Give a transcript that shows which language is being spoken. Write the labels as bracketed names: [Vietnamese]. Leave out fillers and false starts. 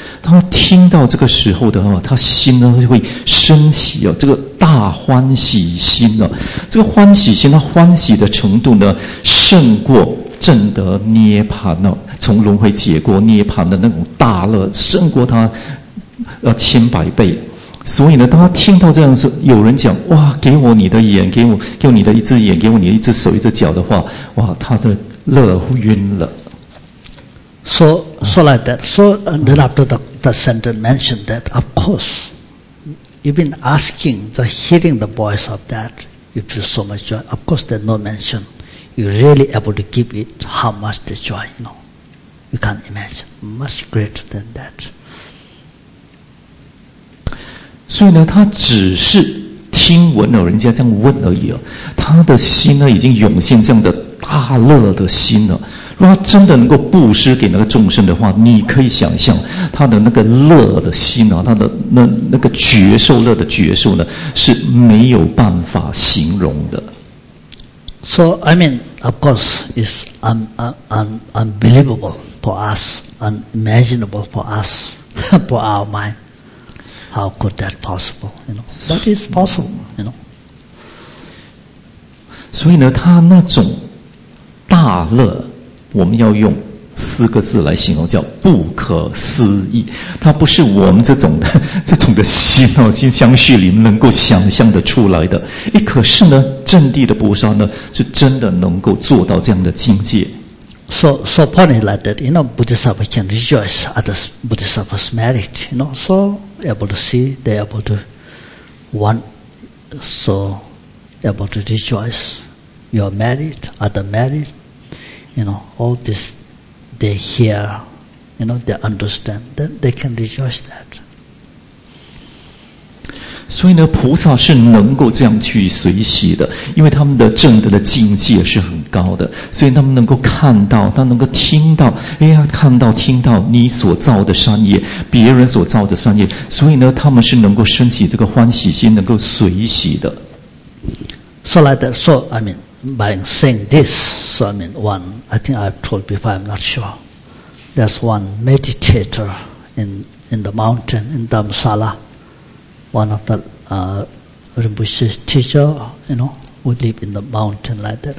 [Chinese] 他听到这个时候的话，他心呢会升起啊，这个大欢喜心啊，这个欢喜心，他欢喜的程度呢，胜过证得涅槃呢，从轮回解过涅槃的那种大乐，胜过他千百倍。所以呢，当他听到这样说，有人讲哇，给我你的眼，给我你的一只眼，给我你的一只手，一只脚的话，哇，他的乐晕了。 [English] So like that. So then after the sentence mentioned that, of course, even asking, the hearing the voice of that, you feel so much joy. Of course, there's no mention. You really able to give it how much the joy? No, you can't imagine. Much greater than that. [Chinese] 所以呢，他只是听闻了人家这样问而已啊，他的心呢已经涌现这样的大乐的心了。如果他真的能够布施给那个众生的话，你可以想象他的那个乐的心啊，他的那个觉受乐的觉受呢，是没有办法形容的。 [English] So I mean, of course, it's unbelievable for us, unimaginable for us, for our mind. How could that possible? You know, but it's possible. You know. [Chinese] 所以呢，他那种大乐，我们要用四个字来形容，叫不可思议。它不是我们这种的心哦，心相续里能够想象的出来的。哎，可是呢，正地的菩萨呢，是真的能够做到这样的境界。 [English] So funny like that, you know, Bodhisattva can rejoice at the Bodhisattva's merit, you know, so able to see, they're able to want, so able to rejoice your merit, other merit, you know, all this they hear, you know, they understand, then they can rejoice that. [Chinese] 所以呢，菩萨是能够这样去随喜的，因为他们的证得的境界是很高的，所以他们能够看到，他能够听到，哎呀，看到听到你所造的善业，别人所造的善业，所以呢，他们是能够升起这个欢喜心，能够随喜的。 [English] So like that, so I mean, by saying this, so I mean one, I think I told before, I'm not sure. There's one meditator in the mountain in Dharamsala. One of the Rinpoche's teacher, you know, who live in the mountain like that.